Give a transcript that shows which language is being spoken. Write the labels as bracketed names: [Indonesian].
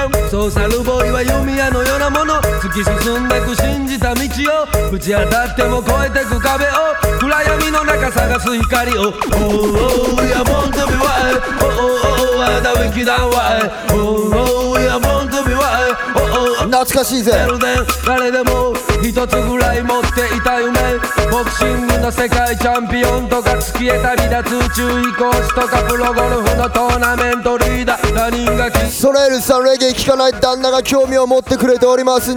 [Japanese] ソーサルボーイは弓矢のようなもの、突き進んでく信じた道を、ぶち当たっても越えてく壁を、暗闇の中探す光を。 [English] Oh oh oh, we are born to be wild. Oh oh oh, we're the wicked and wild. Oh oh, we are born to be wild. Oh oh, [Japanese] 懐かしいぜ。誰でも一つぐらい持っていた夢、ボクシングの世界チャンピオンとか、月へ旅立つ宇宙飛行士とか、プロゴルフのトーナメントリーダー、他人が来ソレールさん、レゲエ聞かない旦那が興味を持ってくれております。